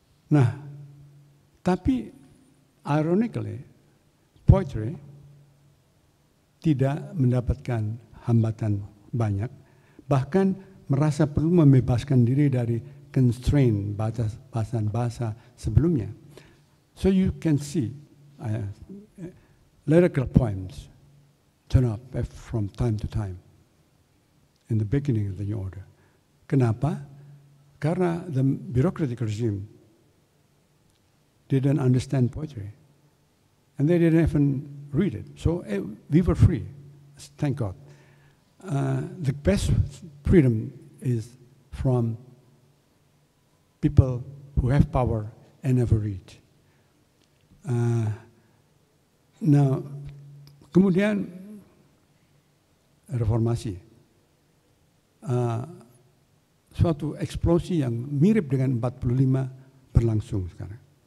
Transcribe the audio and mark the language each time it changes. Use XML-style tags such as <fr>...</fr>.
<id>Nah, tapi ironically, poetry tidak mendapatkan hambatan banyak, bahkan merasa perlu membebaskan diri dari constrained bahasa-bahasa sebelumnya.</id> <en>So you can see lyrical poems turn up from time to time in the beginning of the new order.</en> <id>Kenapa? Karena</id> <en>the bureaucratic regime didn't understand poetry and they didn't even read it. So we were free, thank God. The best freedom is from people who have power and never read.</en> <id>Now, kemudian reformasi, suatu eksplosi yang mirip dengan 45 berlangsung sekarang.</id>